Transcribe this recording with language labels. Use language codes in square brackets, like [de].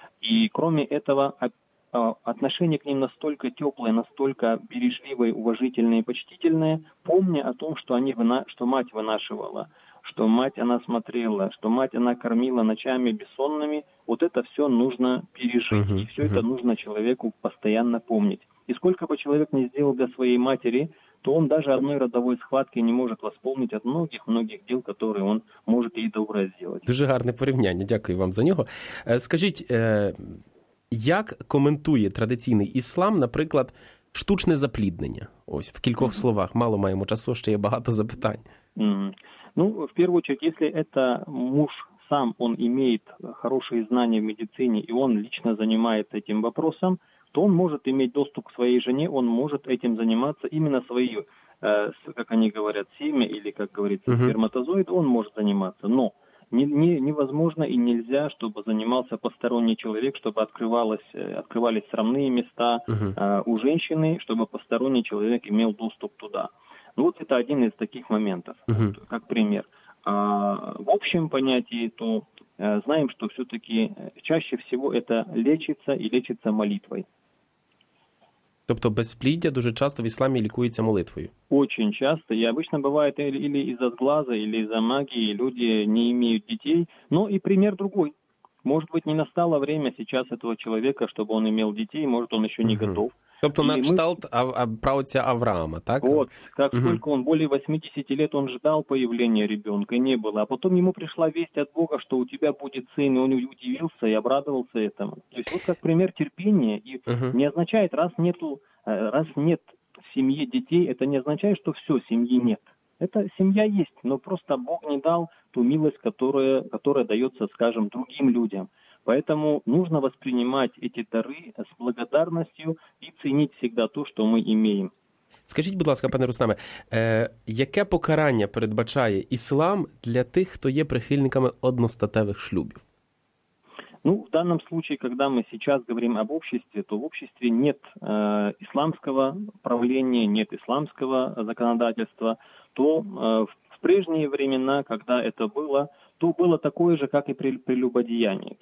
[ru] И кроме этого, отношение к ним настолько теплое, настолько бережливое, уважительное и почтительное, помня о том, что они что мать вынашивала, что мать она смотрела, что мать она кормила ночами бессонными, вот это все нужно пережить. Uh-huh, и все uh-huh. это нужно человеку постоянно помнить. И сколько бы человек ни сделал для своей матери, то он даже одной родовой схватки не может восполнить от многих-многих дел, которые он может ей добре сделать. [uk] Дуже гарне порівняння, дякую вам за нього. Скажіть, як коментує традиційний іслам, наприклад, штучне запліднення? Ось, в кількох словах, мало маємо часу, ще є багато запитань. [ru] Ну, в первую очередь, если это муж сам, он имеет хорошие знания в медицине, и он лично занимается этим вопросом, то он может иметь доступ к своей жене, он может этим заниматься, именно свою, как они говорят, семя, или, как говорится, сперматозоид, он может заниматься. Но невозможно и нельзя, чтобы занимался посторонний человек, чтобы открывались срамные места у женщины, чтобы посторонний человек имел доступ туда. Ну вот это один из таких моментов, как пример. А в общем понятии, то знаем, что все-таки чаще всего это лечится и лечится молитвой. [uk] Тобто безпліддя дуже часто в ісламі лікується молитвою. [ru] Очень часто. И обычно бывает или из-за сглаза, или из-за магии. Люди не имеют детей. Но и пример другой. Может быть, не настало время сейчас этого человека, чтобы он имел детей. Может, он еще не готов. [uk] Тобто на кшталт праотця Авраама, так? [ru] Вот. Как только он более 80 лет, он ждал появления ребенка, не было. А потом ему пришла весть от Бога, что у тебя будет сын, и он удивился и обрадовался этому. То есть вот как пример терпения. И не означает, раз нет в семье детей, это не означает, что все, семьи нет. Это семья есть, но просто Бог не дал ту милость, которая дается, скажем, другим людям. Поэтому нужно воспринимать эти дары с благодарностью и ценить всегда то, что мы имеем. [uk] Скажіть, будь ласка, пане Рустаме, яке покарання передбачає іслам для тих, хто є прихильниками одностатевих шлюбів? [ru] Ну, в данном случае, когда мы сейчас говорим об обществе, то в обществе нет исламского правления, нет исламского законодательства, то в прежние времена, когда это было, то было такое же, как и при прелюбодеянии.